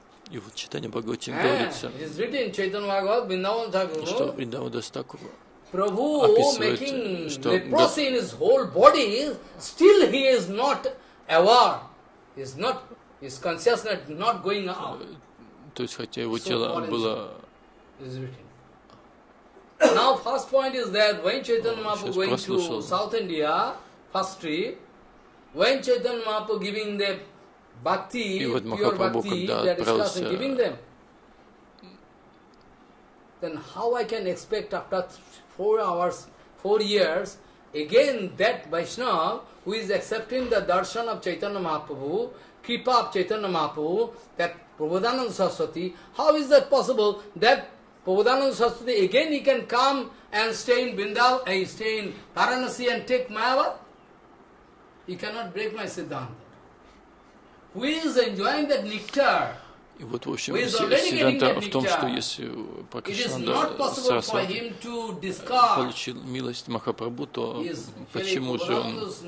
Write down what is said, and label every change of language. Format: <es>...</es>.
<ru>И вот Чайтанья Бхагавате говорится, что Вриндаван-дас Такур описывает, что</ru> <en>leprosy in his whole body, still he is not aware, is not, his consciousness not going out.</en> <ru>То есть хотя его тело было.</ru> <en>Now first point is that when Chaitanya Mahaprabhu going to South India first trip, when Chaitanya Mahaprabhu giving the Бхакти,</en> <ru>и вот Махапрабху, когда отправился</ru> <en>then how I can expect after 4 hours, 4 years, again that Vaishnav who is accepting the darshan of Chaitanya Mahaprabhu, kripa of Chaitanya Mahaprabhu, that Prabodhananda Saraswati, how is that possible that Prabodhananda Saraswati again he can come and stay in Vrindavan, stay in Varanasi and take Mayavad? He cannot break my Siddhanta.</en> <ru>И вот, в общем, сиддханта в том, что если Пракашананда Сарасвати получил милость Махапрабху, то почему же он</ru>